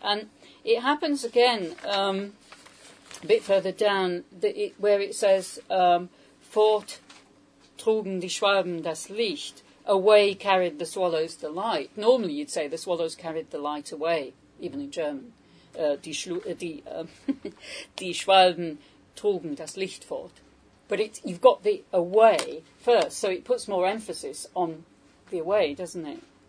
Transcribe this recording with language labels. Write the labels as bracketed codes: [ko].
[en] And it happens again a bit further down, where it says, [de] Fort trugen die Schwalben das Licht. [en] Away carried the swallows the light. Normally you'd say the swallows carried the light away, even in German. [de] Die Schwalben trugen das Licht fort. [en] But you've got the away first, so it puts more emphasis on the away, doesn't it?